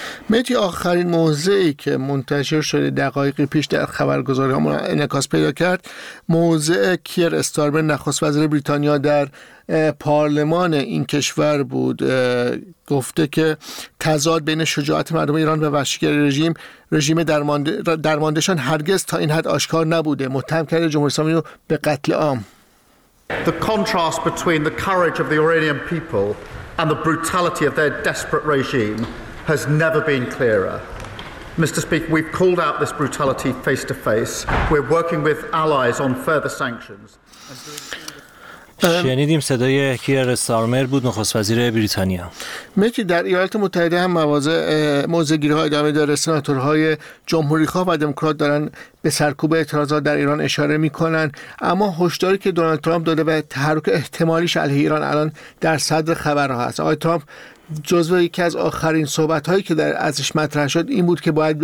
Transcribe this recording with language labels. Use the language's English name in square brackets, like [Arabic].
[Persian] متی، آخرین موضعی که منتشر شده دقایقی پیش در خبرگزاری‌ها انعکاس پیدا کرد، موضع کیر استارمر نخست وزیر بریتانیا در پارلمان این کشور بود. گفته که تضاد بین شجاعت مردم ایران و وحشیگری رژیم درماندشان هرگز تا این حد آشکار نبوده. متهم کرده جمهوری اسلامی رو به قتل عام. [English] The contrast between the courage of the Iranian people and the brutality of their desperate regime has never been clearer. Mr. Speaker, we've called out this brutality face to face. We're working with allies on further sanctions. [Persian] شنیدیم صدای کیر استارمر بود، نخست وزیر بریتانیا. میگه در ایالات متحده هم موضع‌گیری‌ها ادامه داره. سناتورهای جمهوری‌خواه و دموکرات دارن به سرکوب اعتراضات در ایران اشاره میکنن، اما هشداری که دونالد ترامپ داده به تحرک احتمالیش علیه ایران الان در صدر خبرها هست. آقای ترامپ جزو یکی از آخرین صحبت‌هایی که در ازش مطرح شد این بود که باید